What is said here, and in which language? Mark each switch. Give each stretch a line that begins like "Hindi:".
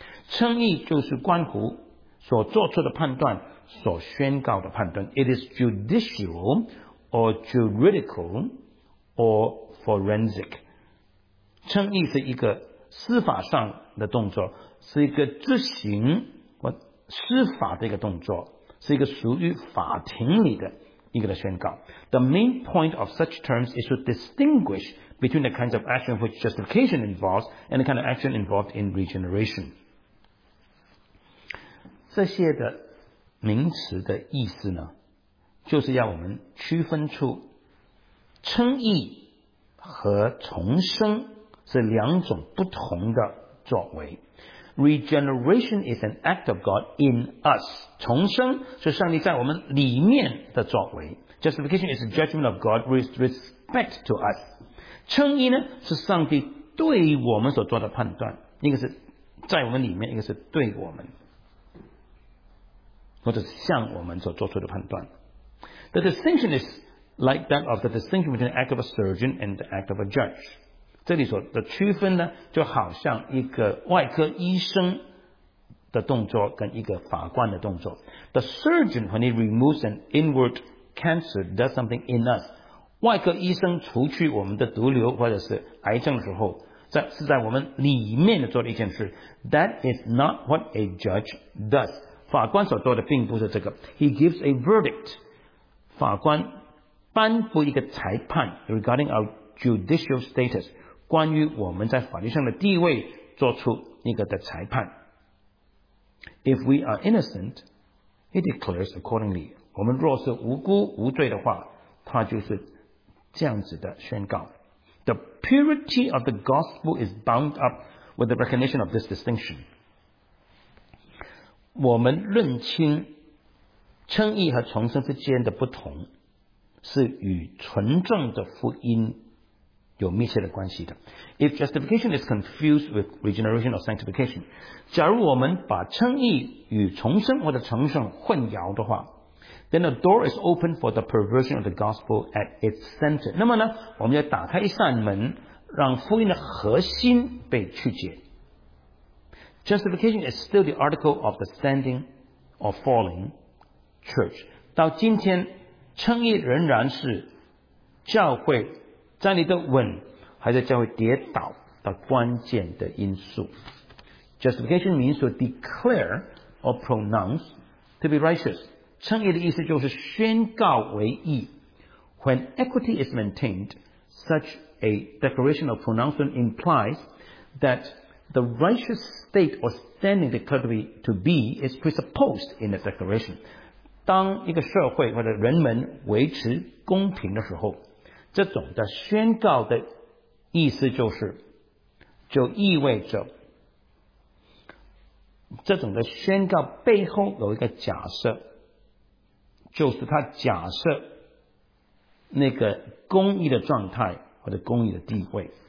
Chinese: 称义就是关乎所做出的判断所宣告的判断
English: It is judicial or juridical or forensic
Chinese: 称义是一个司法上的动作是一个执行司法的一个动作是一个属于法庭里的一个的宣告。
English: The main point of such terms is to distinguish between the kinds of action which justification involves and the kind of action involved in regeneration.
Chinese: 这些的名词的意思呢，就是要我们区分出称义和重生是两种不同的作为。
English: Regeneration is an act of God in us.
Chinese: 重生是上帝在我们里面的作为。
English: Justification is a judgment of God with respect to us.
Chinese: 称义呢是上帝对我们所做的判断，一个是在我们里面，一个是对我们。或者是向我们所做出的判断。
English: The distinction is like that of the distinction between the act of a surgeon and the act of a judge.
Chinese: 这里所的区分呢，就好像一个外科医生的动作跟一个法官的动作。
English: The surgeon, when he removes an inward cancer, does something in us.
Chinese: 外科医生除去我们的毒瘤或者是癌症的时候，是在我们里面做的一件事。
English: That is not what a judge does.
Chinese: 法官所做的并不是这个。
English: He gives a verdict.
Chinese: 法官颁布一个裁判
English: regarding our judicial status,
Chinese: 关于我们在法律上的地位做出一个的裁判。
English: If we are innocent, he declares accordingly.
Chinese: 我们若是无辜无罪的话，他就是这样子的宣告。
English: The purity of the gospel is bound up with the recognition of this distinction.
Chinese: 我们认清称义和重生之间的不同，是与纯正的福音有密切的关系的。
English: If justification is confused with regeneration or sanctification,
Chinese: 假如我们把称义与重生或者重生混淆的话，
English: then a door is open for the perversion of the gospel at its center.
Chinese: 那么呢，我们要打开一扇门，让福音的核心被曲解。
English: Justification is still the article of the standing or falling church.
Chinese: 到今天称义仍然是教会站立的稳还是教会跌倒的关键的因素。
English: Justification means to declare or pronounce to be righteous.
Chinese: 称义的意思就是宣告为义。
English: When equity is maintained, such a declaration or pronouncement implies that the righteous state or standing declared to be is presupposed in the declaration.
Chinese: 当一个社会或者人们维持公平的时候，这种的宣告的意思就是，就意味着这种的宣告背后有一个假设，就是他假设那个公义的状态或者公义的地位。